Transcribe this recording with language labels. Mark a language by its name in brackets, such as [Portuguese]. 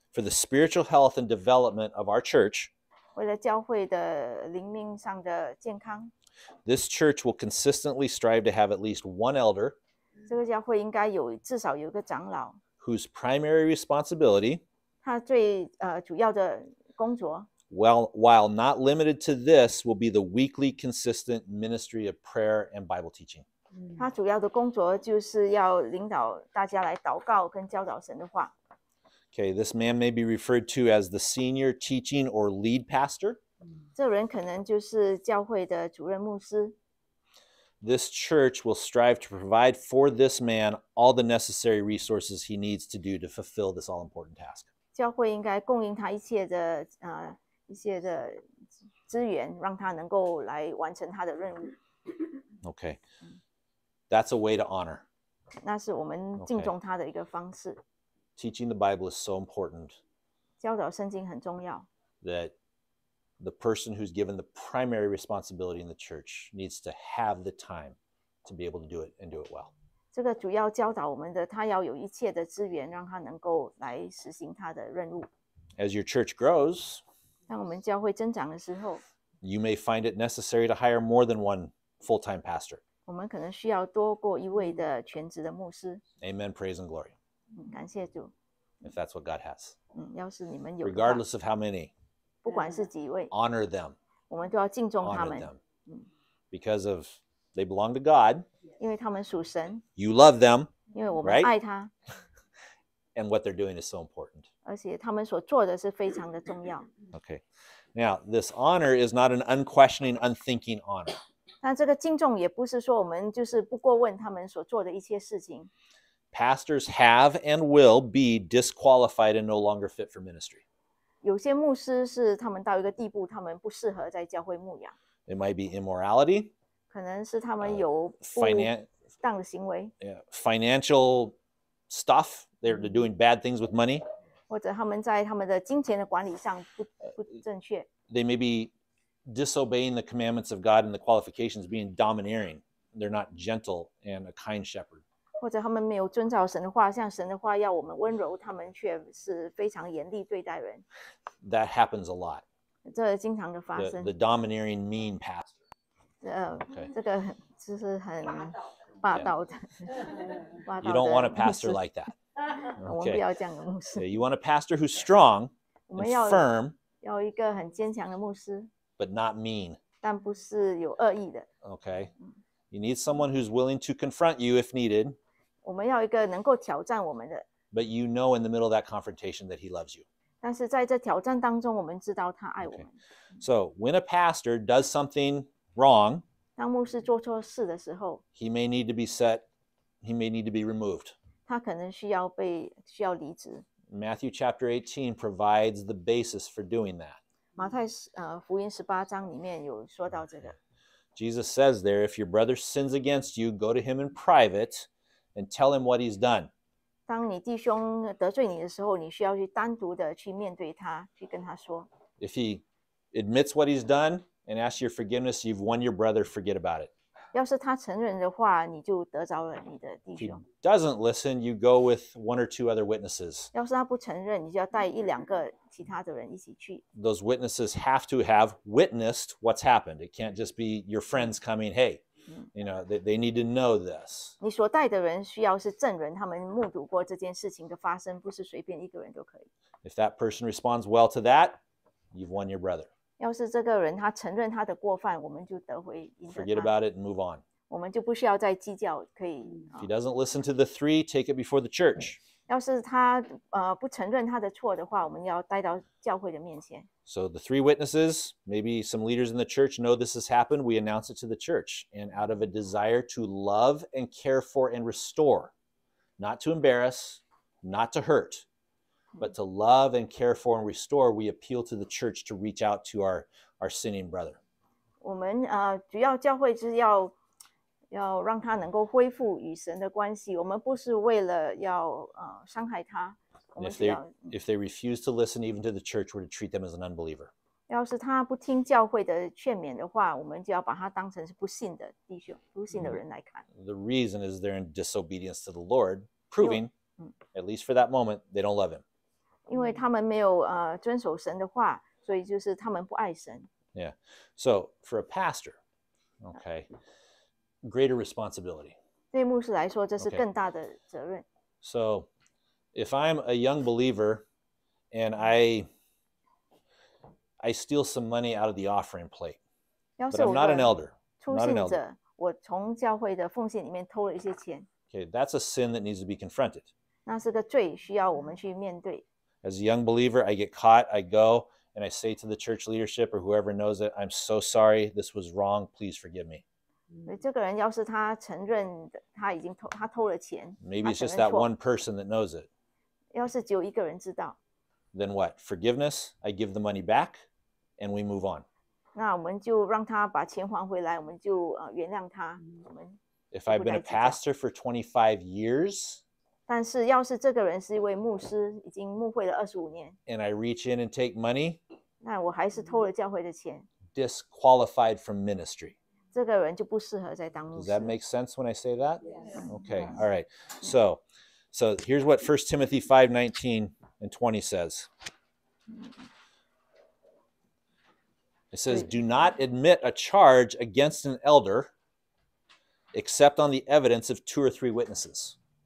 [English] For the spiritual health and development of our church, [Chinese] 为了教会的灵命上的健康。 [English] This church will consistently strive to have at least one elder. [Chinese] 这个教会应该有至少有一个长老。 [English] Whose primary responsibility, [Chinese] 他最主要的工作。 [English] While not limited to this, will be the weekly consistent ministry of prayer and Bible teaching. [Chinese] 他主要的工作就是要领导大家来祷告跟教导神的话。 [English] Okay, this man may be referred to as the senior teaching or lead pastor. [Chinese] 这人可能就是教会的主任牧师。 [English] This church will strive to provide for this man all the necessary resources he needs to do to fulfill this all-important task. [Chinese] 教会应该供应他一切的一些的资源，让他能够来完成他的任务。 [English] Okay. That's a way to honor. [Chinese] 那是我们敬重他的一个方式。 [English] Okay. Teaching the Bible is so important. [Chinese] 教导圣经很重要。 [English] That the person who's given the primary responsibility in the church needs to have the time to be able to do it and do it well. [Chinese] 这个主要教导我们的，他要有一切的资源，让他能够来实行他的任务。 [English] As your church grows, [Chinese] 当我们教会增长的时候， [English] you may find it necessary to hire more than one full-time pastor. [Chinese] 我们可能需要多过一位的全职的牧师。 [English] Amen, praise and glory. [Chinese] 感谢主。 [English] If that's what God has. [Chinese] 要是你们有。 [English] Regardless of how many. [Chinese] 不管是几位。 [English] Honor them. [Chinese] 我们都要敬重他们。 [English] Honor them. Because of they belong to God. [Chinese] 因为他们属神。 [English] You love them. [Chinese] 因为我们爱他。 [English] And what they're doing is so important. [Chinese] 而且他们所做的是非常的重要。 [English] Okay. Now, this honor is not an unquestioning, unthinking honor. [Chinese] 但这个敬重也不是说我们就是不过问他们所做的一些事情。 [English] Pastors have and will be disqualified and no longer fit for ministry. [Chinese] 有些牧师是他们到一个地步，他们不适合在教会牧养。 [English] It might be immorality. [Chinese] 可能是他们有不当的行为。 [English] Financial stuff. They're doing bad things with money. [Chinese] 或者他们在他们的金钱的管理上不正确。 [English] They may be... disobeying the commandments of God and the qualifications, being domineering. They're not gentle and a kind shepherd. [Chinese] 或者他们没有遵照神的话，像神的话要我们温柔，他们却是非常严厉对待人。 [English] That happens a lot. [Chinese] 这经常的发生。 [English] The domineering, mean pastor. Okay. [Chinese] 这个就是很霸道的。 [English] You don't want a pastor like that. [Chinese] okay. 我们不要这样的牧师。 [English] Okay, you want a pastor who's strong and firm, [Chinese] 要一个很坚强的牧师, [English] but not mean. [Chinese] 但不是有恶意的。 [English] Okay. You need someone who's willing to confront you if needed. [Chinese] 我们要一个能够挑战我们的。 [English] But you know in the middle of that confrontation that he loves you. [Chinese] 但是在这挑战当中我们知道他爱我们。 [English] Okay. So when a pastor does something wrong, [Chinese] 当牧师做错事的时候, [English] he may need to be removed. [Chinese] 他可能需要离职。 [English] Matthew chapter 18 provides the basis for doing that. [Chinese] 马太福音十八章里面有说到这个。 [English] Jesus says there, if your brother sins against you, go to him in private and tell him what he's done. [Chinese] 当你弟兄得罪你的时候，你需要去单独的去面对他，去跟他说。 [English] If he admits what he's done and asks your forgiveness, you've won your brother, forget about it. [Chinese] 要是他承认的话，你就得着了你的弟兄。 [English] If he doesn't listen, you go with one or two other witnesses. [Chinese] 要是他不承认，你就要带一两个其他的人一起去。 [English] Those witnesses have to have witnessed what's happened. It can't just be your friends coming, hey, you know, they need to know this. [Chinese] 你所带的人需要是证人，他们目睹过这件事情的发生，不是随便一个人都可以。 [English] If that person responds well to that, you've won your brother. [Chinese] 要是这个人他承认他的过犯，我们就得回赢得他。 [English] Forget about it and move on. [Chinese] 我们就不需要再计较，可以。 [English] If he doesn't listen to the three, take it before the church. [Chinese] 要是他不承认他的错的话，我们要带到教会的面前。 [English] So the three witnesses, maybe some leaders in the church know this has happened. We announce it to the church, and out of a desire to love and care for and restore, not to embarrass, not to hurt. But to love and care for and restore, we appeal to the church to reach out to our sinning brother. [Chinese] 我们主要教会是要让他能够恢复与神的关系。我们不是为了要伤害他。 [English] If they refuse to listen even to the church, we're to treat them as an unbeliever. [Chinese] 要是他不听教会的劝勉的话，我们就要把他当成是不信的弟兄、不信的人来看。 [English] The reason is they're in disobedience to the Lord, proving, at least for that moment, they don't love him. [Chinese] 因为他们没有遵守神的话，所以就是他们不爱神。 [English] Yeah, so for a pastor, okay, greater responsibility. [Chinese] 对牧师来说，这是更大的责任。 [English] Okay. So, if I'm a young believer, and I steal some money out of the offering plate, but I'm not an elder, not an elder. [Chinese] 我从教会的奉献里面偷了一些钱。 [English] Okay, that's a sin that needs to be confronted. [Chinese] 那是个罪，需要我们去面对。 [English] As a young believer, I get caught, I go, and I say to the church leadership or whoever knows it, I'm so sorry, this was wrong, please forgive me. [Chinese] 这个人要是他承认他已经他偷了钱, [English] maybe it's just that one person that knows it. [Chinese] 要是只有一个人知道, [English] then what? Forgiveness, I give the money back, and we move on. [Chinese] 那我们就让他把钱还回来, 我们就原谅他, 我们就不再计较。 [English] If I've been a pastor for 25 years, [Chinese] 但是要是这个人是一位牧师，已经牧会了25年。 [English] And I reach in and take money. [Chinese] 那我还是偷了教会的钱。 [English] Disqualified from ministry. [Chinese] 这个人就不适合在当牧师。 [English] Does that make sense when I say that? Yes. Okay, all right. So here's what 1 Timothy 5:19 and 20 says. It says, do not admit a charge against an elder except on the evidence of two or three witnesses.